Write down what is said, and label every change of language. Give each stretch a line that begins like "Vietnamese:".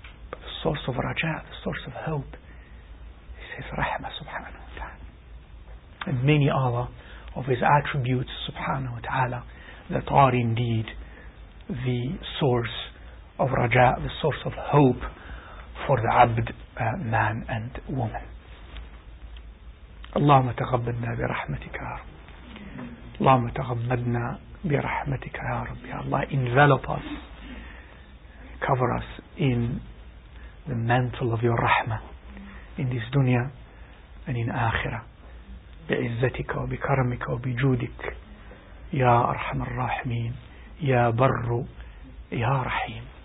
English: But the source of raja, the source of hope, is His rahmah subhanahu wa ta'ala. And many other of His attributes subhanahu wa ta'ala that are indeed the source of raja, the source of hope for the abd, man and woman.
Arabic: اللهم تغمدنا برحمتك يا رب. اللهم تغمدنا برحمتك يا رب. يا الله,
English: envelop us, cover us in the mantle of your rahmah in this dunya and in akhirah.
Arabic: بعزتك وبكرمك وبجودك يا أرحم الراحمين يا بر يا رحيم.